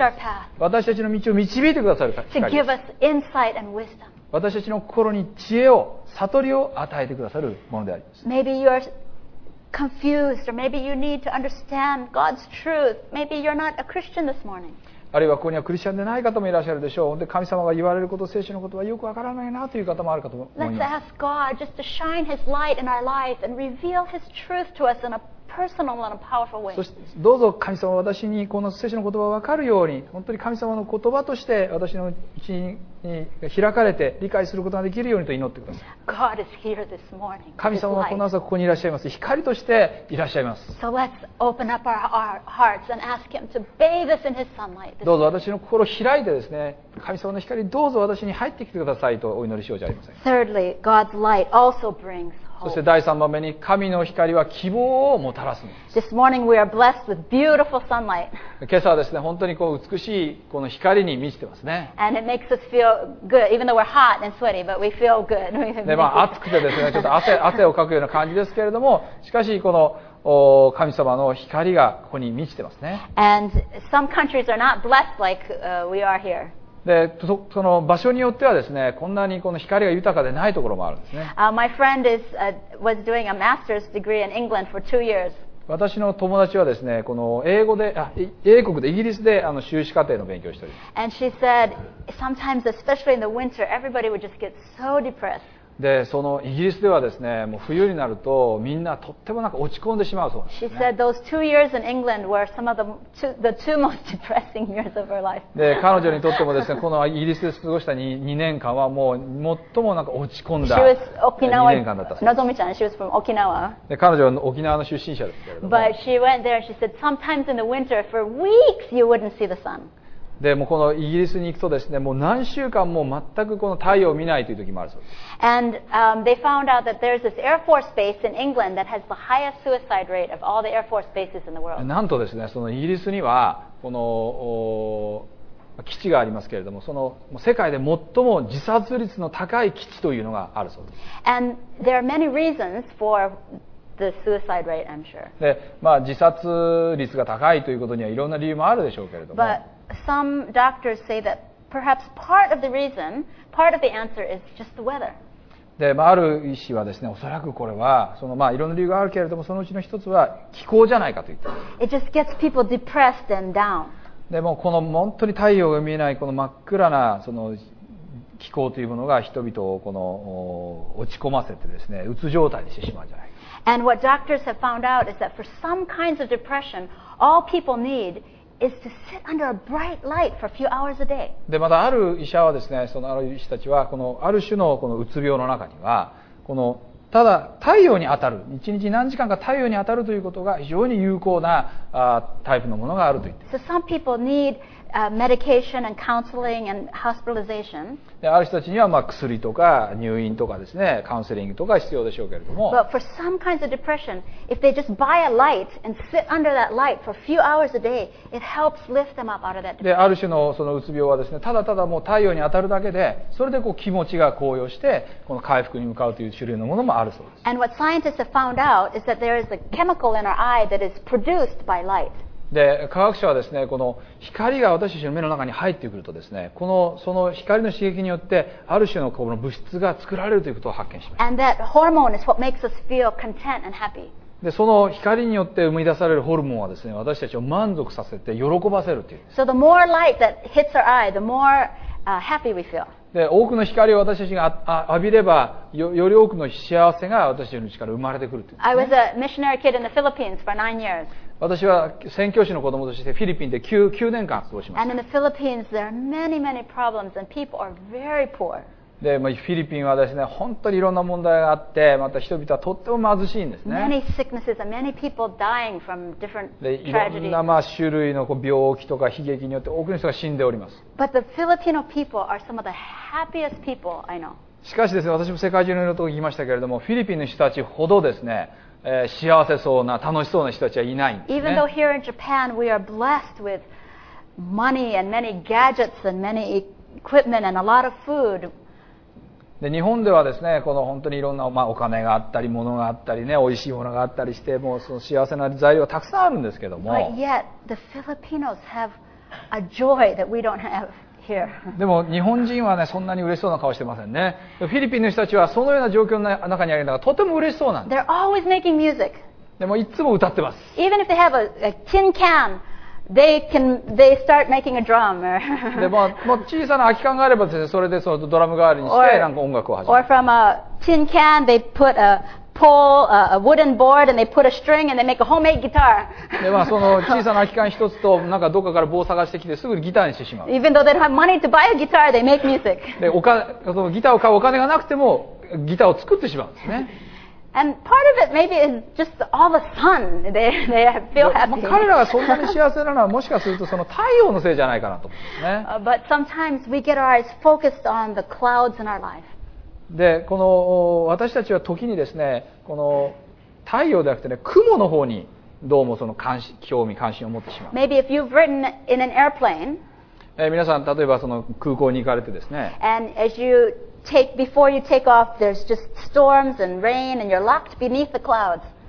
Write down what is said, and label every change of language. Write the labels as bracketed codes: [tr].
[en] to direct our path. [ja] 私たちの道を導いてくださる光です。 [en] to give us insight and wisdom. [ja] 私たちの心に知恵を、悟りを与えてくださるものであります。 [en] Maybe you are confused or maybe you need to understand God's truth. Maybe you're not a Christian this morning. [ja] あるいはここにはクリスチャンでない方もいらっしゃるでしょう。で、神様が言われること、聖書のことはよくわからないなという方もあるかと思います。 [en] Let's ask God just to shine His light in our life and reveal His truth to us in a personal and a powerful way. [ja] そしてどうぞ神様、私にこの聖書の言葉をわかるように、本当に神様の言葉として私のうちに開かれて理解することができるようにと祈ってください。 [en] God is here this morning. [ja] 神様はこの朝ここにいらっしゃいます。光としていらっしゃいます。 [en] So let's open up our hearts and ask Him to bathe us in His sunlight. [ja] どうぞ私の心を開いてですね、神様の光どうぞ私に入ってきてくださいとお祈りしようじゃありません。 [en] Thirdly, God's light also brings hope. [ja] そして第3番目に、神の光は希望をもたらすんです。 [en] This morning we are blessed with beautiful sunlight. [ja] 今朝はですね、本当にこう美しいこの光に満ちてますね。 [en] And it makes us feel good, even though we're hot and sweaty, but we feel good. [ja] で、まあ、暑くてですね、ちょっと 汗をかくような感じですけれども、しかしこの神様の光がここに満ちてますね。 [en] And some countries are not blessed like we are here. [ja] で、その場所によってはですね、こんなにこの光が豊かでないところもあるんですね。 [en] My friend is, was doing a master's degree in England for two years. [ja] 私の友達はですね、この英語で、英国でイギリスで修士課程の勉強をしております。 [en] And she said, sometimes, especially in the winter, everybody would just get so depressed. [ja] で、そのイギリスではですね、もう冬になるとみんなとってもなんか落ち込んでしまうそうなんですね。 [en] She said those two years in England were some of the two most depressing years of her life. [ja] で、彼女にとってもですね、このイギリスで過ごした 2年間はもう最もなんか落ち込んだ2年間だったそうです。 [en] のぞみちゃん、she was from Okinawa. [ja] で、彼女は沖縄の出身者ですけれども。 [en] But she went there and she said sometimes in the winter for weeks you wouldn't see the sun. [ja] でもこのイギリスに行くとですね、もう何週間も全くこの太陽を見ないという時もあるそうです。 [en] And they found out that there's this Air Force base in England that has the highest suicide rate of all the Air Force bases in the world. [ja] なんとですね、そのイギリスにはこの基地がありますけれども、その世界で最も自殺率の高い基地というのがあるそうです。 [en] And there are many reasons for the suicide rate, I'm sure. [ja] で、まあ自殺率が高いということにはいろんな理由もあるでしょうけれども。 [en] But,Some doctors say that perhaps part of the reason, part of the answer is just the weather. [ja] で、まあ、ある医師はですね、おそらくこれはその、まあ、いろんな理由があるけれども、そのうちの一つは気候じゃないかと言って。 [en] It just gets people depressed and down. [ja] でもこの本当に太陽が見えないこの真っ暗なその気候というものが人々をこの落ち込ませてですね、うつ状態にしてしまうじゃないか。 [en] And what doctors have found out is that for some kinds of depression, all people need. Is to sit under a bright light for a few hours a day. [ja] で、またある医者はですね、そのある医師たちはこのある種のこのうつ病の中には、このただ太陽に当たる、一日何時間か太陽に当たるということが非常に有効なタイプのものがあると言っています [en] 。 So some people need medication and counseling and hospitalization. [ja] で、ある人たちにはまあ薬とか入院とかですね、カウンセリングとか必要でしょうけれども。 [en] But for some kinds of depression, if they just buy a light and sit under that light for a few hours a day, it helps lift them up out of that depression. [ja] で、ある種のそのうつ病はですね、ただただもう太陽に当たるだけで、それでこう気持ちが高揚して、この回復に向かうという種類のものもあるそうです。 [en] And what scientists have found out is that there is a chemical in our eye that is produced by light. [ja] で、科学者はですね、この光が私たちの目の中に入ってくるとですね、このその光の刺激によってある種のこの物質が作られるということを発見しました。 [en] And that hormone is what makes us feel content and happy. [ja] で、その光によって生み出されるホルモンはですね、私たちを満足させて喜ばせるという。 [en] So the more light that hits our eye, the more happy we feel. [ja] で多くの光を私たちが浴びれば より多くの幸せが私たちの力に生まれてくるって、ね、 [en] I was a missionary kid in the Philippines for 9 years. [ja] 私は宣教師の子供としてフィリピンで 9年間過ごしました。 [en] And in the Philippines there are many many problems and people are very poor. [ja] で、まあ、フィリピンはですね本当にいろんな問題があってまた人々はとっても貧しいんですね。 [en] Many sicknesses and many people dying from different tragedies. [ja] いろんな、まあ、種類のこう病気とか悲劇によって多くの人が死んでおります。 [en] But the Filipino people are some of the happiest people I know. [ja] しかしですね、私も世界中のいろんなところに行きましたけれども、フィリピンの人たちほどですね、幸せそうな楽しそうな人たちはいないんですね。 [en] Even though here in Japan we are blessed with money and many gadgets and many equipment and a lot of food. [ja] で日本ではですね、この本当にいろんな、まあ、お金があったり物があったりね、おいしいものがあったりして、もうその幸せな材料はたくさんあるんですけども。 [en] But yet the Filipinos have a joy that we don't have. [ja] でも日本人はねそんなに嬉しそうな顔してませんね。フィリピンの人たちはそのような状況の中にありながらとても嬉しそうなんです。 [en] They're always making music. [ja] でもいつも歌ってます。 [en] Even if they have a tin can, they start making a drum. [ja] でも、まあ、小さな空き缶があればですね、それでそのドラム代わりにしてなんか音楽を始める。 [en] Or from a tin can, they put a pole, a wooden board, and they put a string, and they make a homemade guitar. [ja] でまあその小さな空き缶一つとなんかどっかから棒を探してきてすぐにギターにしてしまう。 [en] Even though they don't have money to buy a guitar, they make music. [ja] でお金、そのギターを買うお金がなくてもギターを作ってしまうんですね。 [en] And part of it maybe is just all the sun. They feel happy. [ja] 彼らがそんなに幸せなのはもしかするとその太陽のせいじゃないかなと思うんですね。 [en] But sometimes we get our eyes focused on the clouds in our life. [ja] でこの私たちは時にですねこの太陽ではなくて、ね、雲の方にどうもその興味関心を持ってしまう。 [en] Maybe if you've ridden in an airplane, [ja] 皆さん例えばその空港に行かれてですね [en] and as you take, before you take off there's just storms and rain and you're locked beneath the clouds.